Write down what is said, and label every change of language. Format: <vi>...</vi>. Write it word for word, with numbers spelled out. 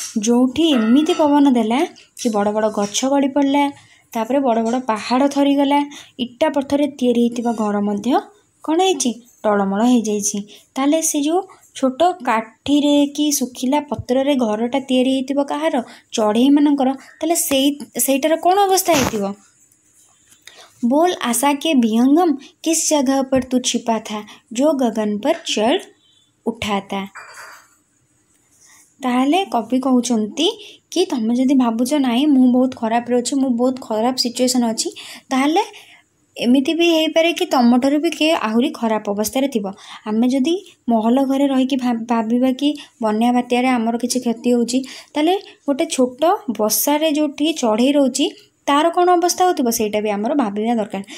<or>ଯେଉଁଠି ଏମିତି ପବନ ଦେଲା କି ବଡ଼ ବଡ଼ ଗଛ ଗଳି ପଡ଼ିଲା, ତାପରେ ବଡ଼ ବଡ଼ ପାହାଡ଼ ଥରିଗଲା, ଇଟା ପଥରରେ ତିଆରି ହେଇଥିବା ଘର ମଧ୍ୟ କ'ଣ ହେଇଛି, ଟଳମଳ ହେଇଯାଇଛି। ତାହେଲେ ସେ ଯେଉଁ ଛୋଟ କାଠିରେ କି ଶୁଖିଲା ପତ୍ରରେ ଘରଟା ତିଆରି ହେଇଥିବ କାହାର, ଚଢ଼େଇମାନଙ୍କର, ତାହେଲେ ସେଇ ସେଇଟାର କ'ଣ ଅବସ୍ଥା ହେଇଥିବ?</or> <hi>बोल आशा के विहंगम किस जगह पर तू छिपा था जो गगन पर चढ़ उठा था।</hi> <or>ତାହେଲେ କବି କହୁଛନ୍ତି କି ତୁମେ ଯଦି ଭାବୁଛ ନାହିଁ ମୁଁ ବହୁତ ଖରାପରେ ଅଛି, ମୁଁ ବହୁତ ଖରାପ ସିଚୁଏସନ୍ ଅଛି, ତାହେଲେ ଏମିତି ବି ହେଇପାରେ କି ତୁମଠାରୁ ବି କିଏ ଆହୁରି ଖରାପ ଅବସ୍ଥାରେ ଥିବ। ଆମେ ଯଦି ମହଲ ଘରେ ରହିକି ଭାବିବା କି ବନ୍ୟା ବାତ୍ୟାରେ ଆମର କିଛି କ୍ଷତି ହେଉଛି, ତାହେଲେ ଗୋଟେ ଛୋଟ ବସାରେ ଯେଉଁଠି ଚଢ଼େଇ ରହୁଛି ତାର କ'ଣ ଅବସ୍ଥା ହେଉଥିବ ସେଇଟା ବି ଆମର ଭାବିବା ଦରକାର।</or>